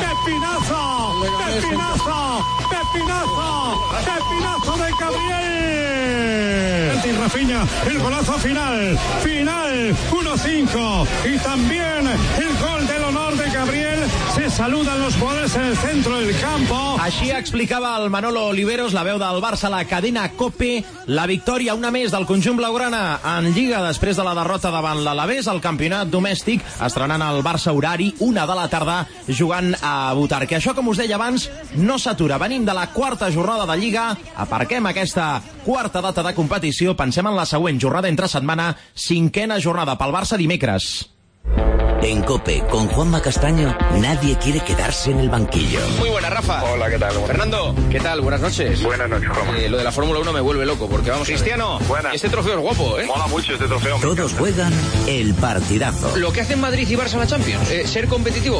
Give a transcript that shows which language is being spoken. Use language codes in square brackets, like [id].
[es] Pepinazo de Gabriel. Santi Rafinha, el golazo final, 1-5, y también el gol del honor de Gabriel. Se saludan los jugadores en el centro del campo. [ca] Així explicava el Manolo Oliveros, la veu del Barça, la cadena COPE, la victòria una més del conjunt blaugrana en Lliga després de la derrota davant l'Alavés al campionat domèstic, estrenant el Barça horari, 1 de la tarda, jugant a Butarque. Això, com us deia abans, no s'atura. Venim de la quarta jornada de Lliga, aparquem aquesta quarta data de competició, pensem en la següent jornada entre setmana, 5ª jornada pel Barça dimecres. [es] En COPE, con Juanma Castaño, nadie quiere quedarse en el banquillo. Muy buena, Rafa. Hola, ¿qué tal? Fernando, ¿qué tal? Buenas noches. Buenas noches, Juanma. Lo de la Fórmula 1 me vuelve loco, porque vamos... Cristiano, este trofeo es guapo, ¿eh? Mola mucho este trofeo. Todos juegan el partidazo. Lo que hacen Madrid y Barça en la Champions, ser competitivo.